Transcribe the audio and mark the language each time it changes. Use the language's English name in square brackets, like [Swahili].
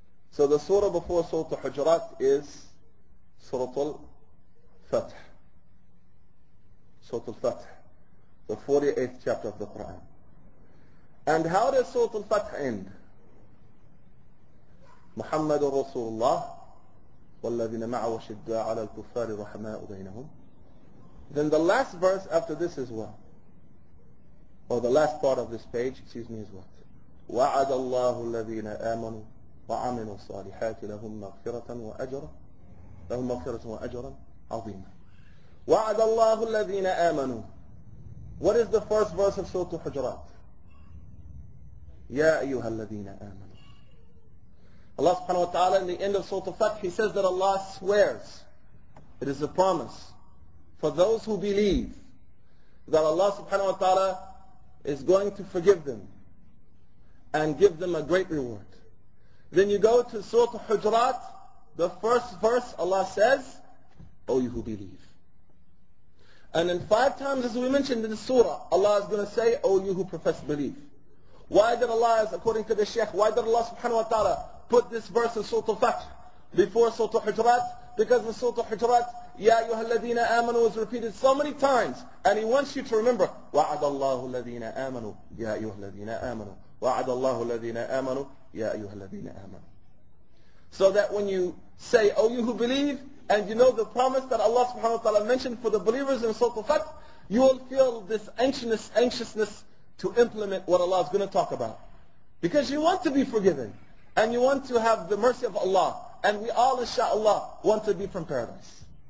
[English] So the surah before Surah al-Hujurat is Surah al-Fath. Surah al-Fath, the 48th chapter of the Quran. And how does Surah al-Fath end? [Arabic] محمد رسول الله والذين معه وشدة على الكفار رحماء بينهم. [English] Then the last verse after this is what? Or the last part of this page, excuse me, is what? [Arabic] وعد الله الذين آمنوا وعملوا الصالحات لهم مغفرة وأجر لهم مغفرة وأجر عظيم. وعد الله الذين آمنوا. [English] What is the first verse of Surah Al-Hujurat? [Arabic] يا أيها الذين آمنوا. [English] Allah subhanahu wa ta'ala in the end of Surah Al-Fath, He says that Allah swears, it is a promise for those who believe that Allah subhanahu wa ta'ala is going to forgive them and give them a great reward. Then you go to Surah Al-Hujurat, the first verse Allah says, O you who believe. And then five times as we mentioned in the surah, Allah is going to say, O you who profess belief. Why did Allah, according to the Shaykh, why did Allah subhanahu wa ta'ala put this verse in Surah Al-Fath before Surah Al-Hujurat? Because in Surah Al-Hujurat, يَا أَيُّهَا الَّذِينَ آمَنُوا was repeated so many times, and He wants you to remember, وَعَدَ اللَّهُ الَّذِينَ آمَنُوا يَا أَيُّهَا الَّذِينَ آمَنُوا وَعَدَ اللَّهُ الَّذِينَ آمَنُوا يَا أَيُّهَا الَّذِينَ آمَنُوا. So that when you say, O you who believe, and you know the promise that Allah subhanahu wa ta'ala mentioned for the believers in Surah Al-Fath, you will feel this anxiousness to implement what Allah is going to talk about. Because you want to be forgiven, and you want to have the mercy of Allah, and we all, inshaAllah, want to be from paradise.